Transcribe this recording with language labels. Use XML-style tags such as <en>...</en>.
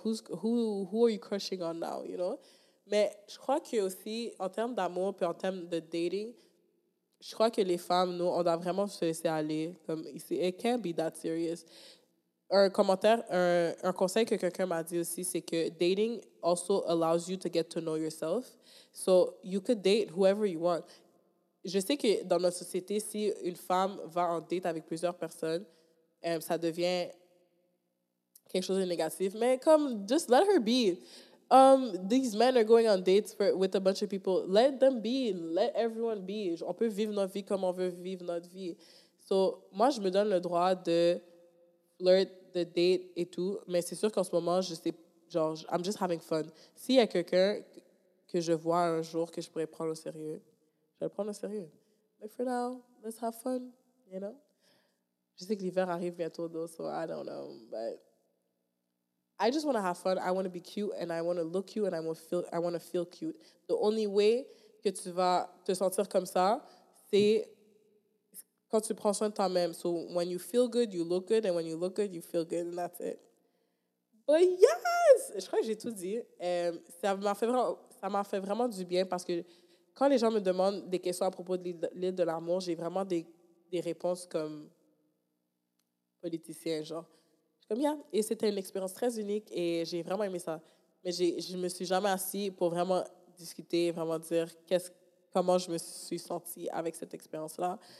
<en>Who are you crushing on now, you know?</en> <fr>Mais je crois que aussi en termes d'amour puis en termes de dating, je crois que les femmes, nous, on doit vraiment se laisser aller.</fr> <en>Comme, it can't be that serious.</en> <fr>Un conseil que quelqu'un m'a dit aussi, c'est que</fr> <en>dating also allows you to get to know yourself. So, you could date whoever you want.</en> <fr>Je sais que dans notre société, si une femme va en date avec plusieurs personnes, ça devient quelque chose de négatif. Mais comme,</fr> <en>just let her be. These men are going on dates with a bunch of people. Let them be. Let everyone be.</en> <fr>On peut vivre notre vie comme on veut vivre notre vie. So, moi, je me donne le droit de flirt, de date et tout. Mais c'est sûr qu'en ce moment, je sais, genre,</fr> <en>I'm just having fun.</en> <fr>S'il y a quelqu'un que je vois un jour que je pourrais prendre au sérieux, je vais le prendre au sérieux.</fr> <en>But for now, let's have fun, you know?</en> <fr>Je sais que l'hiver arrive bientôt,</fr> <en>though, so I don't know, but I just want to have fun. I want to be cute and I want to look cute and I want to feel cute. The only way</en> <fr>que tu vas te sentir comme ça, c'est quand tu prends soin de toi-même.</fr> <en>So when you feel good, you look good, and when you look good, you feel good, and that's it. But yes,</en> <fr>je crois que j'ai tout dit. Ça m'a fait vraiment du bien parce que quand les gens me demandent des questions à propos de l'île de l'amour, j'ai vraiment des réponses comme politicien, genre. Bien. Et c'était une expérience très unique et j'ai vraiment aimé ça. Mais je me suis jamais assise pour vraiment discuter, vraiment dire comment je me suis sentie avec cette expérience-là.</fr>